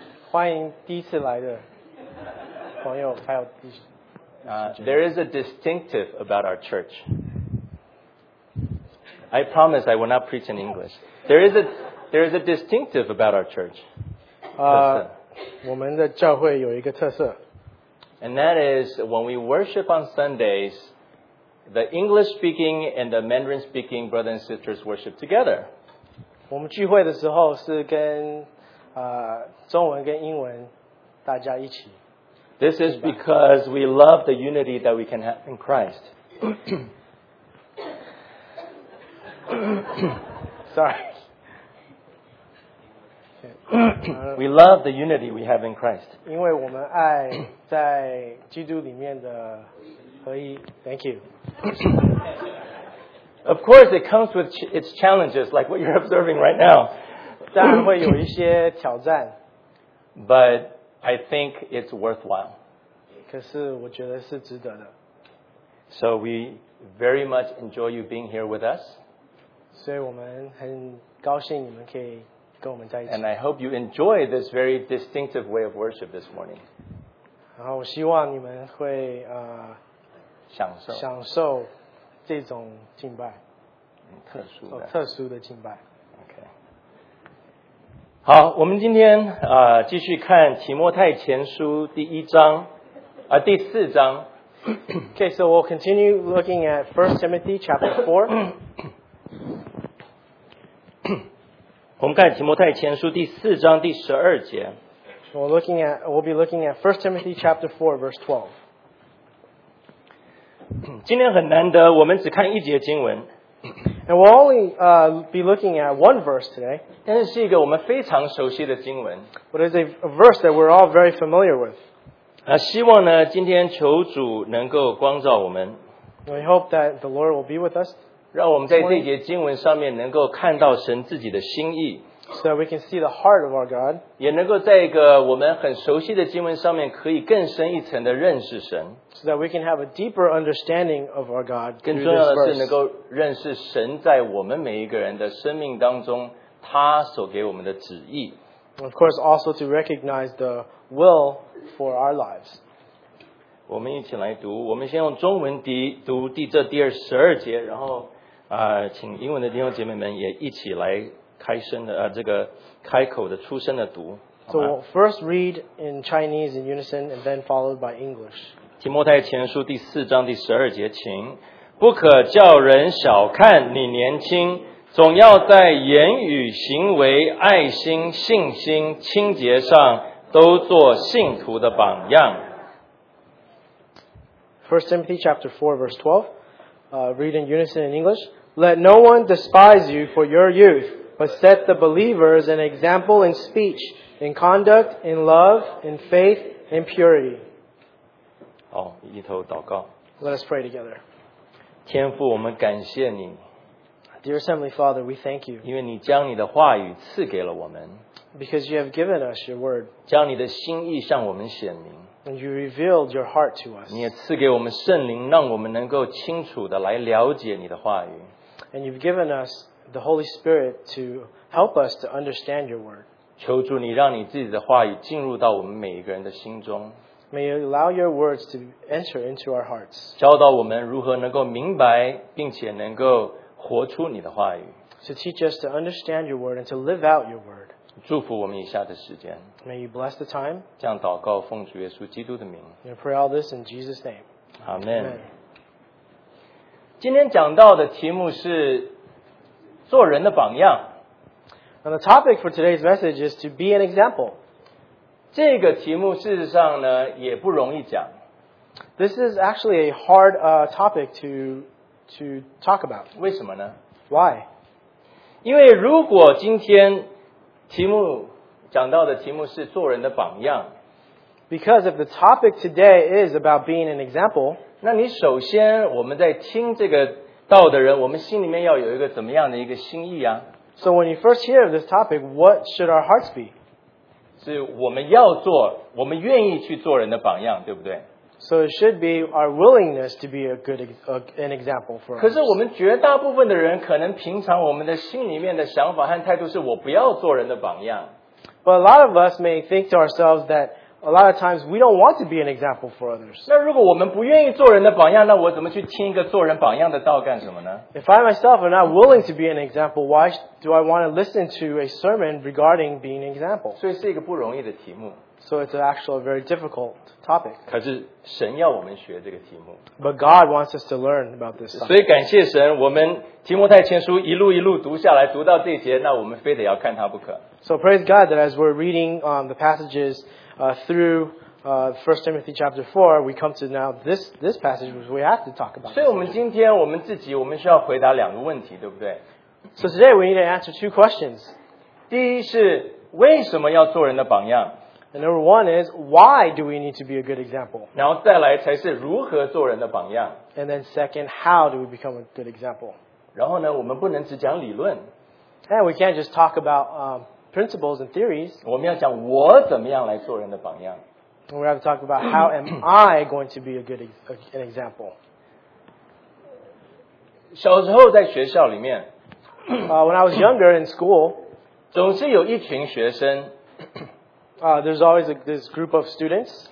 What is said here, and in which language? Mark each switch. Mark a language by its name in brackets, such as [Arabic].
[Chinese] 欢迎第一次来的朋友还有弟兄。 [English] There is a distinctive about our church. I promise I will not preach in English. There is a distinctive about our church. [Chinese] 我们的教会有一个特色。 [English] And that is when we worship on Sundays, the English-speaking and the Mandarin-speaking brothers and sisters worship together. [Chinese] 我们聚会的时候是跟中文跟英文大家一起。 [English] This is because we love the unity that we can have in Christ. Sorry. We love the unity we have in Christ. [Chinese] 因为我们爱在基督里面的合一。 [English] Thank you. Of course, it comes with its challenges, like what you're observing right now. [Chinese] 当然会有一些挑战。 [English] But I think it's worthwhile. [Chinese] 可是我觉得是值得的。 [English] So we very much enjoy you being here with us. [Chinese] 所以我们很高兴你们可以跟我们在一起。 [English] And I hope you enjoy this very distinctive way of worship this morning. [Chinese] 然后我希望你们会享受这种敬拜，特殊的敬拜。 [English] Okay. [Chinese] 好，我们今天继续看提摩太前书第一章啊第四章。 [English] Okay, so we'll continue looking at 1 Timothy chapter 4. [Chinese] 我们看提摩太前书第四章第十二节。 [English] We'll be looking at 1 Timothy chapter 4, verse 12. [Chinese] 今天很难得，我们只看一节经文。 [English] And we'll only be looking at one verse today. [Chinese] 但是是一个我们非常熟悉的经文。 [English] But it's a verse that we're all very familiar with. [Chinese] 希望呢，今天求主能够光照我们。 [English] We hope that the Lord will be with us. [Chinese] 让我们在这节经文上面能够看到神自己的心意 [English] ，so that we can see the heart of our God， [Chinese] 也能够在一个我们很熟悉的经文上面可以更深一层的认识神 [English] ，so that we can have a deeper understanding of our God。 [Chinese] 更重要的是能够认识神在我们每一个人的生命当中，他所给我们的旨意。 [English] Of course, also to recognize the will for our lives。 [Chinese] 我们一起来读，我们先用中文读这第二十二节，然后。请英文的弟兄姐妹们也一起来开声的这个开口的出声的读。 [English] So we'll first read in Chinese in unison and then followed by English. [Chinese] 提摩太前书第四章第十二节，请不可叫人小看你年轻，总要在言语、行为、爱心、信心、清洁上都做信徒的榜样。 [English] First Timothy chapter 4 verse 12. Read in unison in English. Let no one despise you for your youth, but set the believers an example in speech, in conduct, in love, in faith, in purity. [Chinese] 好，一头祷告。 [English] Let us pray together. [Chinese] 天父，我们感谢你。 [English] Dear Heavenly Father, we thank you. [Chinese] 因为你将你的话语赐给了我们。 [English] Because you have given us your word. [Chinese] 将你的心意向我们显明。 [English] And you revealed your heart to us. [Chinese] 你也赐给我们圣灵，让我们能够清楚的来了解你的话语。 [English] And you've given us the Holy Spirit to help us to understand your word. [Chinese] 求主你让你自己的话语进入到我们每一个人的心中。 [English] May you allow your words to enter into our hearts. [Chinese] 教导我们如何能够明白，并且能够活出你的话语。 [English] To teach us to understand your word and to live out your word. [Chinese] 祝福我们以下的时间。 [English] May you bless the time. [Chinese] 这样祷告奉主耶稣基督的名。 [English] We pray all this in Jesus' name. Amen. [Chinese] 今天讲到的题目是做人的榜样。 [English] And the topic for today's message is to be an example. [Chinese] 这个题目事实上呢也不容易讲。 [English] This is actually a hard topic to talk about. [Chinese] 为什么呢 [English] ？Why? [Chinese] 因为如果今天题目讲到的题目是做人的榜样。 [English] Because if the topic today is about being an example, [Chinese] 那你首先我们在听这个道的人，我们心里面要有一个怎么样的一个心意啊 [English] ？So when you first hear of this topic, what should our hearts be? [Chinese] 是我们要做，我们愿意去做人的榜样，对不对？ [English] So it should be our willingness to be a good an example for us. [Chinese] 可是我们绝大部分的人可能平常我们的心里面的想法和态度是我不要做人的榜样。 [English] But a lot of us may think to ourselves that a lot of times we don't want to be an example for others. [Chinese] 那如果我们不愿意做人的榜样，那我怎么去听一个做人榜样的道干什么呢？ [English] If I myself am not willing to be an example, why do I want to listen to a sermon regarding being an example? [Chinese] 所以是一个不容易的题目。 [English] So it's actually a very difficult topic. [Chinese] 可是神要我们学这个题目。 [English] But God wants us to learn about this topic. [Chinese] 所以感谢神，我们提摩太前书一路一路读下来，读到这节，那我们非得要看它不可。 [English] So praise God that as we're reading the passages through 1 Timothy chapter 4, we come to now this passage which we have to talk about. [Chinese] 所以我们今天我们自己我们需要回答两个问题，对不对？ [English] So today we need to answer two questions. [Chinese] 第一是为什么要做人的榜样？ [English] And number one is, why do we need to be a good example? [Chinese] 然后再来才是如何做人的榜样。 [English] And then second, how do we become a good example? [Chinese] 然后呢，我们不能只讲理论。 [English] And we can't just talk about principles and theories. [Chinese] 我们要讲我怎么样来做人的榜样。 [English] And we have to talk about how am I going to be a good an example. [Chinese] 小时候在学校里面 [English] when I was younger in school, 总是有一群学生 There's always this group of students.